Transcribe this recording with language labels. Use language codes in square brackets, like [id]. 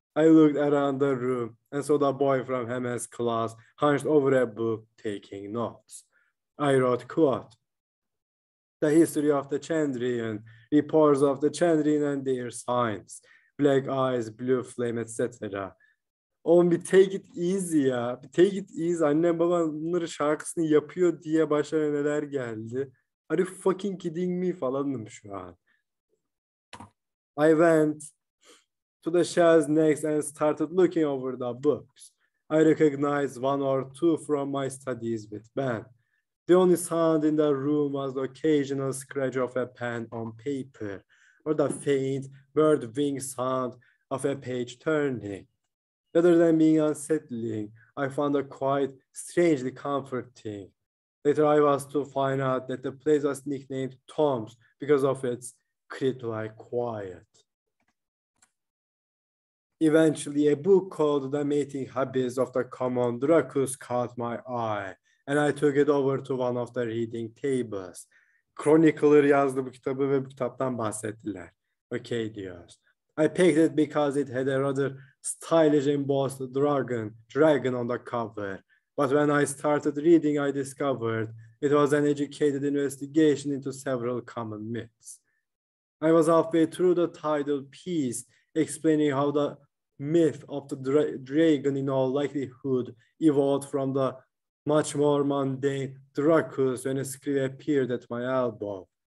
[en] I looked around the room and saw the boy from Hemes class hunched over a book taking notes. I wrote, quote, the history of the Chandrian, reports of the Chandrian and their signs, black eyes, blue flame, etc. [tr] Oğlum bir [en] take it easy [tr] ya. Bir [en] take it easy. [tr] Annem baban bunları şarkısını yapıyor diye başlara neler geldi. [en] Are you fucking kidding me [tr] falanım şu an. [en] I went to the shelves next and started looking over the books. I recognized one or two from my studies with Ben. The only sound in the room was the occasional scratch of a pen on paper or the faint bird wing sound of a page turning. Rather than being unsettling, I found it quite strangely comforting. Later, I was to find out that the place was nicknamed Tom's because of its crypt-like quiet. Eventually, a book called The Mating Habits of the Common Dracus caught my eye, and I took it over to one of the reading tables. [tr] Chronicler yazdı bu kitabı ve bu kitaptan bahsettiler. Okay, diyor. [en] I picked it because it had a rather stylish embossed dragon on the cover. But when I started reading, I discovered it was an educated investigation into several common myths. I was halfway through the title piece explaining how the myth of the dragon in all likelihood evolved from the much more mundane Dracus when a screw appeared at my elbow.